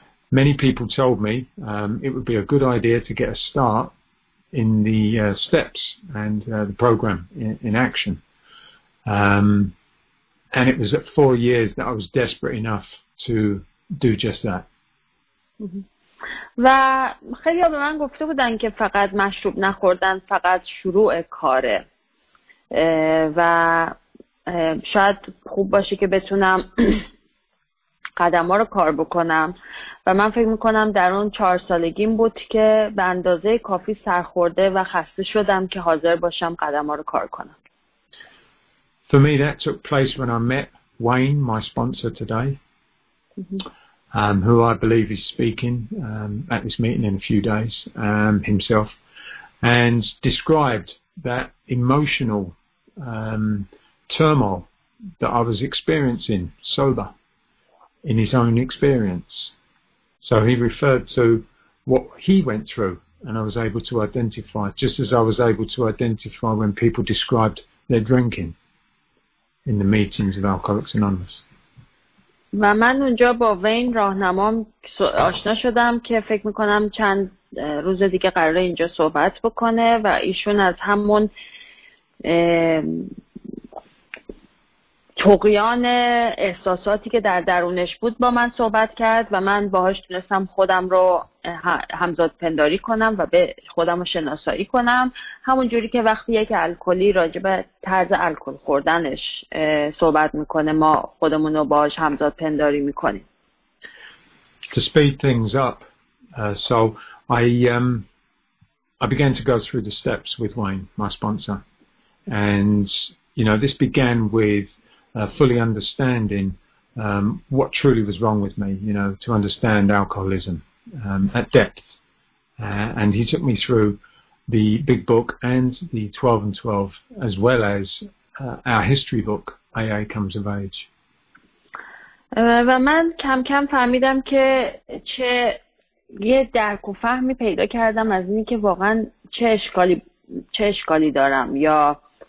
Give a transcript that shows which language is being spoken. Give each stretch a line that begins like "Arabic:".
English: Many people told me it would be a good idea to get a start in the steps and the program in action. And it was at 4 years that I was desperate enough to do just that.
Persian: و خیلی ها به من گفته بودن که فقط مشروب نخوردن فقط شروع کاره. و شاید خوب باشه که بتونم قدم‌ها رو کار بکنم و من فکر می‌کنم در اون 4 سالگیم بود که به اندازه کافی سرخورده و خسته شدم که حاضر باشم قدم‌ها رو کار کنم.
English: For me that took place when I met Wayne, my sponsor today, who I believe is speaking at this meeting in a few days, himself. and described that emotional turmoil that I was experiencing sober in his own experience. So he referred to what he went through, and I was able to identify, just as I was able to identify when people described their drinking in the meetings of Alcoholics Anonymous.
Persian: و من اونجا با وین راهنمام آشنا شدم که فکر میکنم چند روز دیگه قراره اینجا صحبت بکنه و ایشون از همون طغیان احساساتی که در درونش بود با من صحبت کرد و من باهاش تونستم خودم رو همزاد پنداری کنم و به خودم رو شناسایی کنم، همون جوری که وقتی یک الکلی راجع به طرز الکل خوردنش صحبت میکنه ما خودمون رو باهاش همزاد پنداری میکنیم.
English: To speed things up, so I began to go through the steps with Wayne, my sponsor, and you know, this began with fully understanding what truly was wrong with me, you know, to understand alcoholism at depth. And he took me through the big book and the 12 and 12, as well as our history book, AA Comes of Age.
Persian: و من کم کم فهمیدم که چه یه درک و فهمی پیدا کردم از اینی که واقعا چه اشکالی دارم یا